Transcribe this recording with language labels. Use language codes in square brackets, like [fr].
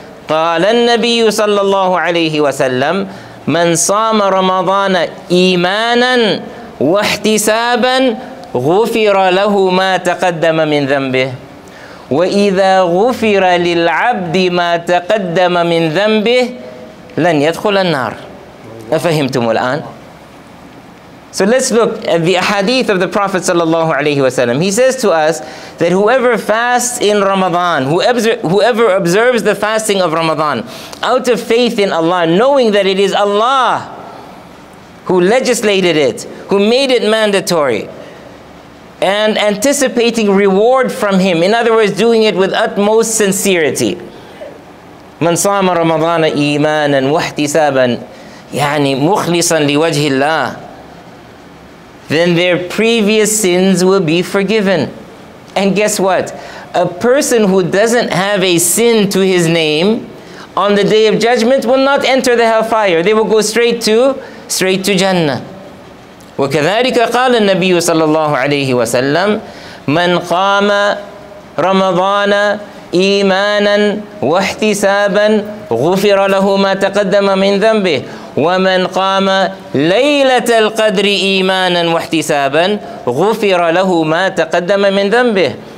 [ar] قال النبي صلى الله عليه وسلم: من صام رمضان إيمانا واحتسابا غفر له ما تقدم من ذنبه. وإذا غفر للعبد ما تقدم من ذنبه لن يدخل النار. أفهمتم الآن؟ [en] So let's look at the ahadith of the Prophet sallallahu alayhi wa sallam. He says to us that whoever fasts in Ramadan, whoever observes the fasting of Ramadan out of faith in Allah, knowing that it is Allah who legislated it, who made it mandatory, and anticipating reward from him. In other words, doing it with utmost sincerity. [ar] من صام رمضان إيمانا واحتسابا يعني مخلصا لوجه الله. [en] Then their previous sins will be forgiven. And guess what? A person who doesn't have a sin to his name on the day of judgment will not enter the hellfire. They will go straight to Jannah. [ar] وكذلك قال النبي صلى الله عليه وسلم من قام رمضان إيمانا واحتسابا غفر له ما تقدم من ذنبه ومن قام ليلة القدر إيمانا واحتسابا غفر له ما تقدم من ذنبه.